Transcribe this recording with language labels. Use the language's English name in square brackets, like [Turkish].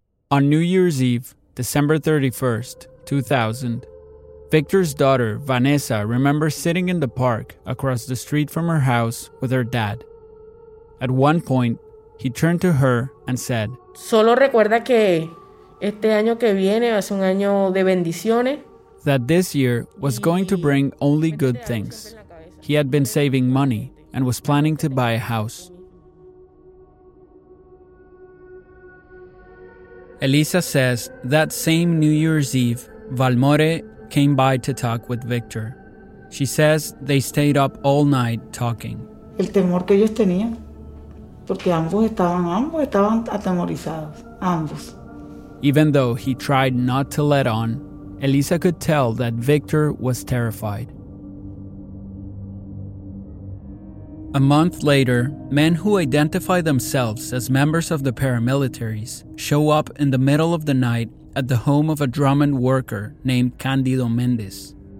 [English] On New Year's Eve, December 31st, 2000, Victor's daughter, Vanessa, remembers sitting in the park across the street from her house with her dad. At one point, he turned to her and said, [Spanish] "Solo recuerda que este año que viene va a ser un año de bendiciones." [English] That this year was going to bring only good things. He had been saving money and was planning to buy a house. Elisa says that same New Year's Eve, Valmore came by to talk with Victor. She says they stayed up all night talking. [Spanish] El temor que ellos tenían, porque ambos estaban atemorizados, ambos. [English] Even though he tried not to let on, Elisa could tell that Victor was terrified. A month later, men who identify themselves as members of the paramilitaries show up in the middle of the night at the home of a Drummond worker named Candido Mendez.